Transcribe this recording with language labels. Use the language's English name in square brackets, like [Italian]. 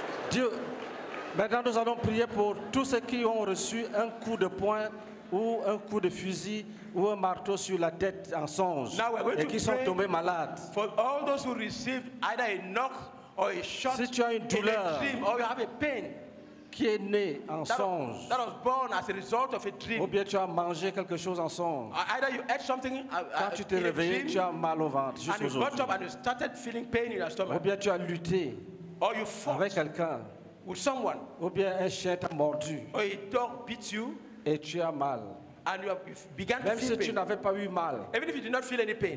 [French] Dieu, maintenant nous allons prier pour tous ceux qui ont reçu un coup de poing ou un coup de fusil ou un marteau sur la tête en songe et qui sont tombés malades. [English] For all those who received either a knock or a shot, [French] si tu as une douleur, [English] in a dream, or you have a pain, [French] qui est né en songe, [English] that was born as a result of a dream, [French] ou bien tu as mangé quelque chose en songe, [English] either you ate something, [French] quand tu t'es réveillé, [English] dream, [French] tu as mal au ventre, juste [English] and you got up and you started feeling pain in your stomach, [French] ou bien tu as lutté, [English] or you fought [French] avec quelqu'un, [English] with someone, [French] ou bien un chien t'a mordu, [English] or a dog beat you, [French] et tu as mal. [English] And you have began [French] même [English] to feel [French] si [English] pain. [French] Tu n'avais pas eu mal, [English] even if you did not feel any pain,